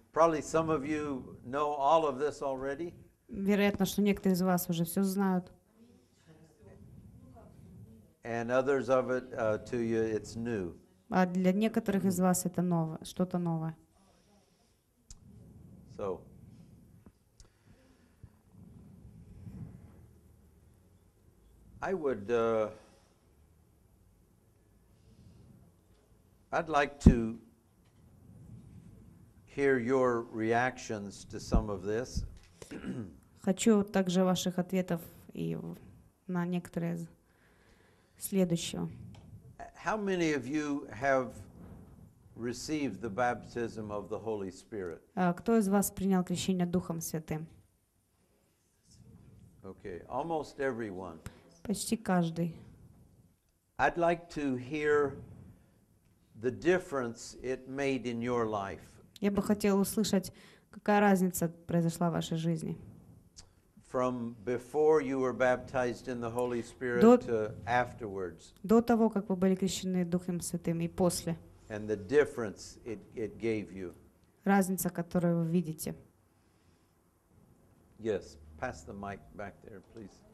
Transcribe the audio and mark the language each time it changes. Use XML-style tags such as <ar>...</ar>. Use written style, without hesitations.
<en>Probably some of you know all of this already.</en> <ru>Вероятно, что некоторые из вас уже все знают.</ru> <en>And others of it to you, it's new.</en> <ru>А для некоторых из вас это ново, что-то новое.</ru> <en>So. I would I'd like to hear your reactions to some of this.</en> <ru>Хочу также ваших ответов и на некоторые следующего.</ru> <en>How many of you have received the baptism of the Holy Spirit?</en> <ru>Кто из вас принял крещение Духом Святым?</ru> <en>Okay, almost everyone.</en> <ru>Почти каждый.</ru> <en>I'd like to hear the difference it made in your life.</en> <ru>Я бы хотел услышать, какая разница произошла в вашей жизни.</ru> <en>From before you were baptized in the Holy Spirit to afterwards.</en> <ru>До того, как вы были крещены Духом Святым, и после.</ru> <en>And the difference it gave you.</en> <ru>Разница, которую вы видите.</ru> <en>Yes, pass the mic back there, please.</en>